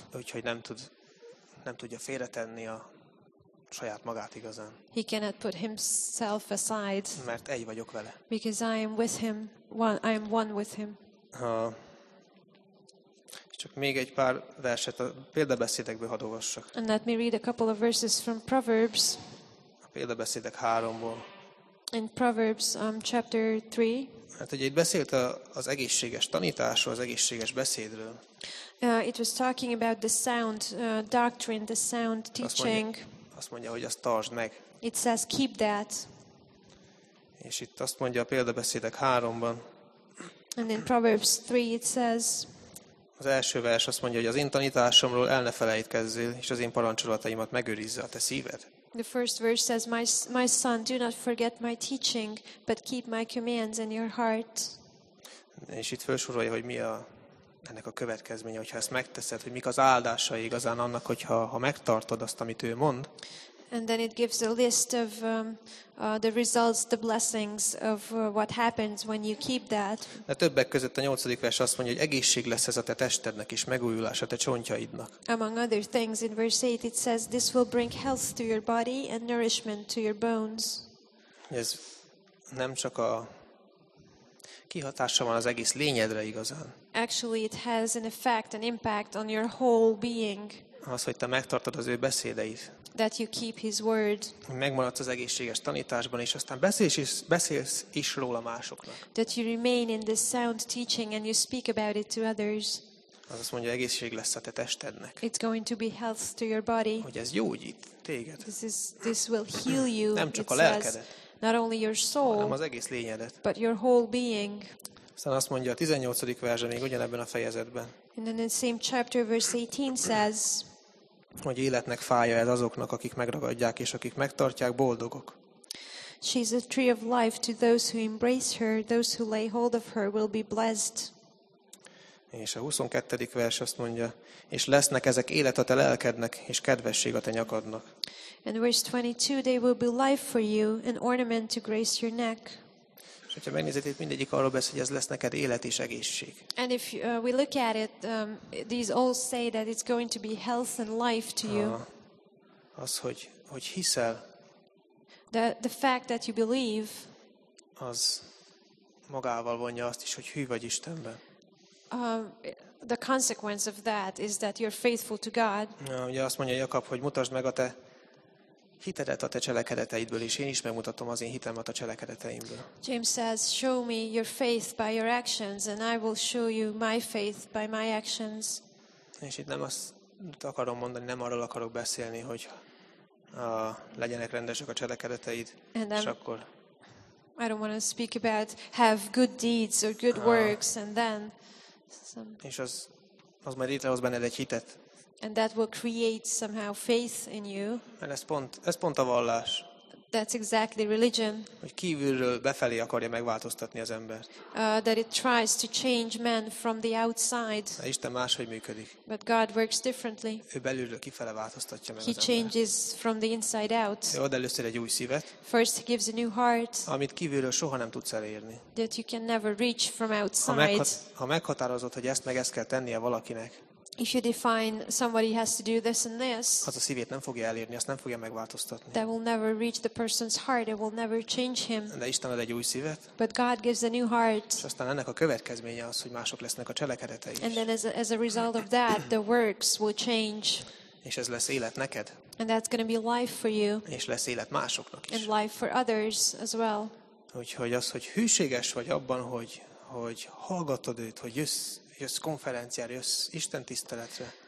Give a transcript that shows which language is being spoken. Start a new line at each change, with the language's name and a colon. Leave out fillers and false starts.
Hungarian: Úgyhogy nem tudja félretenni a saját magát igazán.
English: He cannot put himself aside.
Hungarian: Mert egy vagyok vele.
English: Because I am with him. One, I am one with him.
Hungarian: Csak még egy pár verset a példabeszédekből hadd olvassak.
English: And let me read a couple of verses from Proverbs.
Hungarian: A példabeszédek 3-ból.
English: In Proverbs chapter 3.
Hungarian: Mert ugye itt beszélt az egészséges tanításról, az egészséges beszédről.
English: It was talking about the sound doctrine, the sound teaching.
Hungarian: Azt mondja, hogy azt tartsd meg.
English: It says keep that.
Hungarian: És itt azt mondja a példabeszédek 3-ban.
English: And in Proverbs 3 it says.
Hungarian: Az első vers azt mondja, hogy az én tanításomról el ne felejtkezzél, és az én parancsolataimat megőrizze a te szíved.
English: The first verse says, my son, do not forget my teaching, but keep my commands in your heart.
Hungarian: És itt felsorolja, hogy mi a ennek a következménye, hogyha ezt megteszed, hogy mik az áldásai igazán annak, hogyha ha megtartod azt, amit ő mond.
English: And then it gives a list of the results, the blessings of what happens when you keep that.
Hungarian: De többek között a 8. vers azt mondja, hogy egészség lesz ez a te testednek és megújulás a te csontjaidnak.
English: Among other things, in verse 8 it says, this will bring health to your body and nourishment to your bones.
Hungarian: Ez nem csak a kihatása van az egész lényedre igazán.
English: Actually it has an effect, an impact on your whole being.
Hungarian: Az, hogy te megtartod az ő beszédeit.
English: That you keep his word.
Hungarian: Megmaradsz az egészséges tanításban, és aztán beszélsz is róla másoknak.
English: That you remain in this sound teaching and you speak about it to others.
Hungarian: Az azt mondja, egészség lesz a te testednek.
English: It's going to be health to your body.
Hungarian: Hogy ez gyógyít téged.
English: This will heal you.
Hungarian: Nem csak a lelkedet.
English: Not only your soul,
Hungarian: hanem az egész lényedet.
English: But your whole being.
Hungarian: Aztán azt mondja a 18. verse még ugyanebben a fejezetben.
English: And then in the same chapter verse 18 says,
Hungarian: hogy életnek fája ez azoknak, akik megragadják és akik megtartják, boldogok.
English: She is a tree of life to those who embrace her, those who lay hold of her will be blessed.
Hungarian: És a 22. vers azt mondja, és lesznek ezek élet a te lelkednek és kedvesség a te nyakadnak.
English: And verse 22, they will be life for you, an ornament to grace your neck.
Hungarian: És hogyha megnézed, itt mindegyik arról beszél, hogy ez lesz neked élet és egészség.
English: And if we look at it, these all say that it's going to be health and life to you.
Hungarian: Az, hogy hiszel.
English: The fact that you believe.
Hungarian: Az magával vonja azt is, hogy hű vagy Istenben.
English: the consequence of that is that you're faithful to God.
Hungarian: Ugye azt mondja Jakab, hogy mutasd meg a te hitedet a te cselekedeteidből, és én is megmutatom az én hitemet a cselekedeteimből.
English: James says, show me your faith by your actions, and I will show you my faith by my actions.
Hungarian: És itt nem azt akarom mondani, nem arról akarok beszélni, hogy legyenek rendesek a cselekedeteid, és akkor...
English: I don't want to speak about have good deeds or good works, and then...
Hungarian: És az majd létrehoz benned egy hitet.
English: And that will create somehow faith in you.
Hungarian: Mert ez pont a vallás.
English: That's exactly religion.
Hungarian: Hogy kívülről befelé akarja megváltoztatni az embert.
English: That it tries to change men from the outside.
Hungarian: De Isten máshogy működik.
English: But God works differently.
Hungarian: Ő belülről kifele változtatja meg
English: He
Hungarian: az embert.
English: He changes from the inside out.
Hungarian: Ő ad először egy új szívet.
English: First he gives a new heart.
Hungarian: Amit kívülről soha nem tudsz elérni.
English: That you can never reach from outside.
Hungarian: Ha meghatározod, hogy ezt meg ezt kell tennie valakinek.
English: If you define somebody has to do this and this,
Hungarian: az a szívét nem fogja elérni, azt nem fogja megváltoztatni.
English: That will never reach the person's heart, it will never change him.
Hungarian: De Isten ad egy új szívet.
English: But God gives a new heart.
Hungarian: És aztán ennek a következménye az, hogy mások lesznek a cselekedetei.
English: And then as a result of that, the works will change.
Hungarian: És ez lesz élet neked.
English: And that's going to be life for you.
Hungarian: És lesz élet másoknak is.
English: And life for others as well.
Hungarian: Úgyhogy az, hogy hűséges vagy abban, hogy hallgatod őt, hogy jössz konferenciára, jössz Isten tiszteletre.